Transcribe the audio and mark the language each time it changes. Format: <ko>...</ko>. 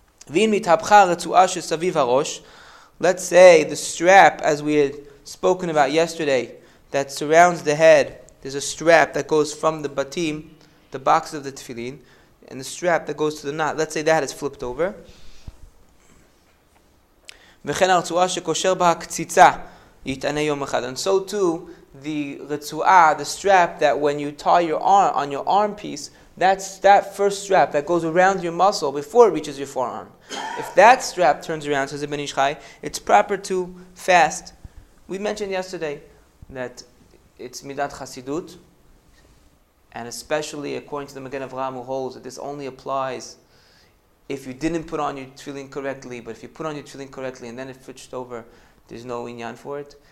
<he>ואם מתהפכה הרצועה שסביב הראש,</he> <en>let's say the strap, as we had spoken about yesterday, that surrounds the head, there's a strap that goes from the batim, the box of the tefillin, and the strap that goes to the knot, let's say that is flipped over.</en> <he>וכן הרצועה שקושר בה הקציצה יתענה יום אחד.</he> <en>And so too, the רצועה, the strap that when you tie your arm on your arm piece, that's that first strap that goes around your muscle before it reaches your forearm. If that strap turns around, says Ibn Ishchai, it's proper to fast. We mentioned yesterday that it's Midat Chasidut, and especially according to the Magen Avraham, who holds that this only applies if you didn't put on your tefillin correctly, but if you put on your tefillin correctly and then it switched over, there's no inyan for it.</en>